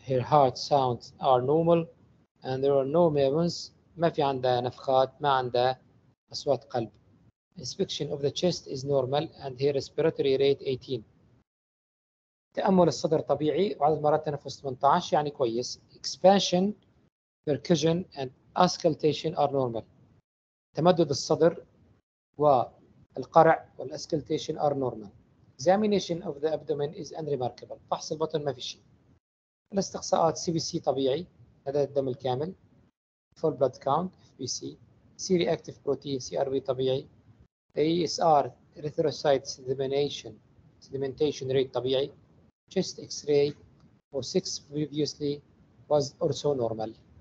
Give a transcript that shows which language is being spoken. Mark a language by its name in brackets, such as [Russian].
[English] Her heart sounds are normal and there are no murmurs. [Arabic] ما في عندها نفخات، ما عندها أصوات قلب. [English] Inspection of the chest is normal and her respiratory rate 18. [Arabic] تأمل الصدر طبيعي وعدد مرات تنفس 18 يعني كويس. [English] Expansion, percussion and auscultation are normal. [Arabic] تمدد الصدر والقرع والauscultation [English] are normal. Examination of the abdomen is unremarkable. [Arabic] فحص البطن ما في شيء. الاستقصاءات CBC طبيعي، عدد الدم الكامل. [English] Full blood count, FBC. C-reactive protein, CRP طبيعي. ASR, erythrocyte sedimentation rate طبيعي. Chest X-ray for 6 previously was also normal.